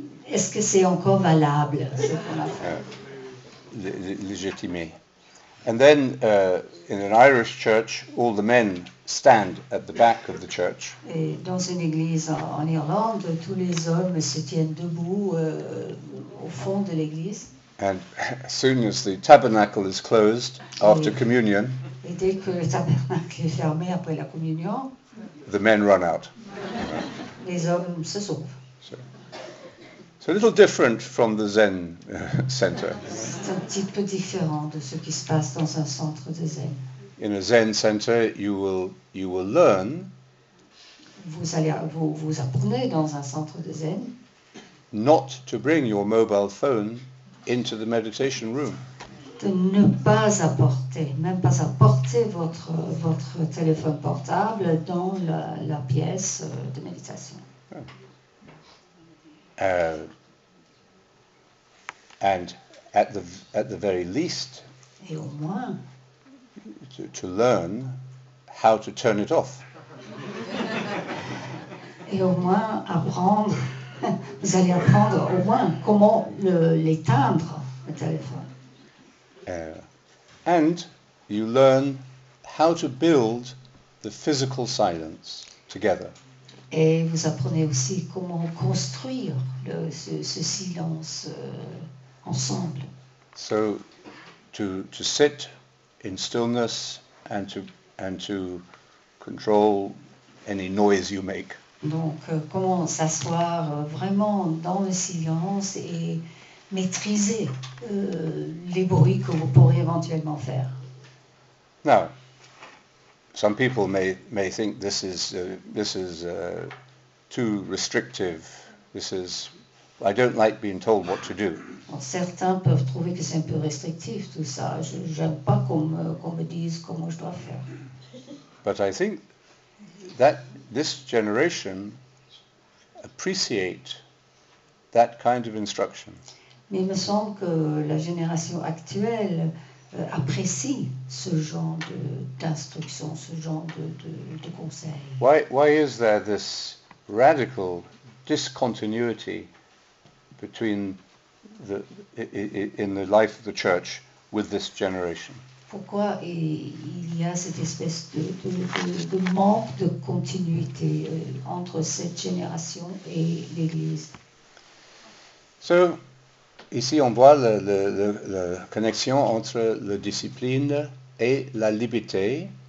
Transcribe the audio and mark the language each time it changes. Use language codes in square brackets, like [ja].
[fr] Est-ce que c'est encore valable ce qu'on a fait? Légitimé. [en] And then, in an Irish church, all the men stand at the back of the church. [fr] Et dans une église en Irlande, tous les hommes se tiennent debout au fond de l'église. [en] And as soon as the tabernacle is closed after communion, [fr] et dès que le tabernacle est fermé après la communion, [en] the men run out. [fr] Les hommes se sauvent. [en] A little different from the Zen center. [fr] C'est un petit peu différent de ce qui se passe dans un centre de Zen. [en] In a Zen center, you will learn. [fr] Vous apprenez dans un centre de Zen. [en] Not to bring your mobile phone into the meditation room. [fr] De ne pas apporter, même pas apporter votre téléphone portable dans la pièce de méditation. [en] And at the very least, [fr] et au moins, [en] to learn how to turn it off. [fr] Et au moins apprendre, vous allez apprendre au moins comment l'éteindre le téléphone. [en] And you learn how to build the physical silence. together. [fr] Et vous apprenez aussi comment construire ce silence ensemble. [en] So to sit in stillness and to control any noise you make. [fr] Donc comment s'asseoir vraiment dans le silence et maîtriser les bruits que vous pourriez éventuellement faire. [en] Now, some people may think this is too restrictive. I don't like being told what to do. [fr] Certains peuvent trouver que c'est un peu restrictif tout ça. J'aime pas qu'on me dise comment je dois faire. [en] But I think that this generation appreciate that kind of instruction. [fr] Mais il me semble que la génération actuelle apprécie ce genre d'instruction, ce genre de conseil. [en] Why is there this radical discontinuity between in the life of the church with this generation? [fr] Pourquoi il y a cette espèce de manque de continuité entre cette génération et l'Église? So, ici, on voit la connexion entre la discipline et la liberté.